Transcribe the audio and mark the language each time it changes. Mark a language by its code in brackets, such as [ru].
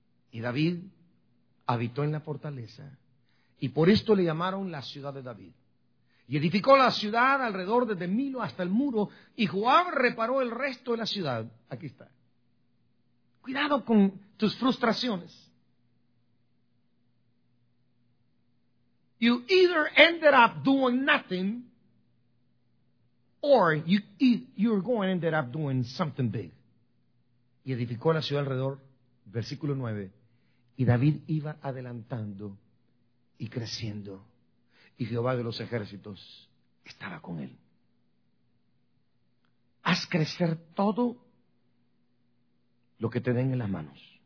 [es] Y David habitó en la fortaleza, y por esto le llamaron la ciudad de David. Y edificó la ciudad alrededor desde Milo hasta el muro, y Joab reparó el resto de la ciudad. Aquí está. Cuidado con tus frustraciones. [en] You either ended up doing nothing, or you're going to end up doing something big. [es] Y edificó la ciudad alrededor, versículo 9, y David iba adelantando y creciendo, y Jehová de los ejércitos estaba con él. Haz crecer todo lo que te den en las manos.